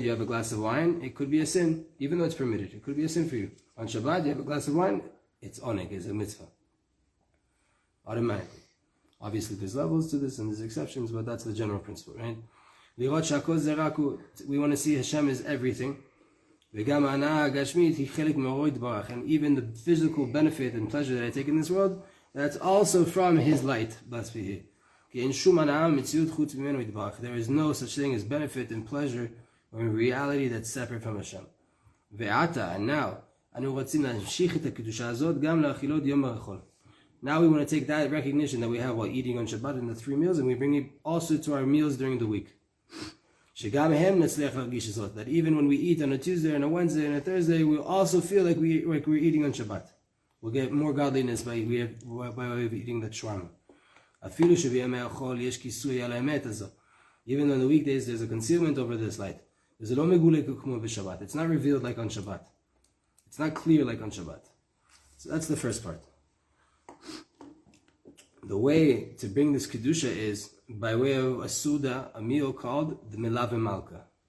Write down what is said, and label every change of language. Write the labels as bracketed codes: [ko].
[en] You have a glass of wine, it could be a sin, even though it's permitted. It could be a sin for you. On Shabbat, you have a glass of wine, it's עונג, it's a mitzvah. Automatically. Obviously, there's levels to this and there's exceptions, but that's the general principle, right? [he] לראות שהכל זה רק הוא, [en] we want to see Hashem is everything. [he] וגם ההנאה הגשמית היא חלק מאורו יתברך. [en] And even the physical benefit and pleasure that I take in this world, that's also from His light, blessed be He. [he] כי אין שום הנאה מציאות חוץ ממנו יתברך. [en] There is no such thing as benefit and pleasure or in reality that's separate from Hashem. [he] ועתה, [en] and now, [he] אנו רוצים להמשיך את הקדושה הזאת גם לאכילות יום הרחול. [en] Now we want to take that recognition that we have while eating on Shabbat in the three meals, and we bring it also to our meals during the week. [he] שגם הם נצליח להרגיש זאת, [en] that even when we eat on a Tuesday and a Wednesday and a Thursday, we also feel like we're eating on Shabbat. We'll get more godliness by eating the shawarma. [he] אפילו שבימי החול יש כיסוי על האמת הזו. [en] Even on the weekdays, there's a concealment over this light. [he] וזה לא מגולה כמו בשבת. [en] It's not revealed like on Shabbat. It's not clear like on Shabbat. So that's the first part. The way to bring this Kedusha is by way of a Suda, a meal called the Melah B'Malka.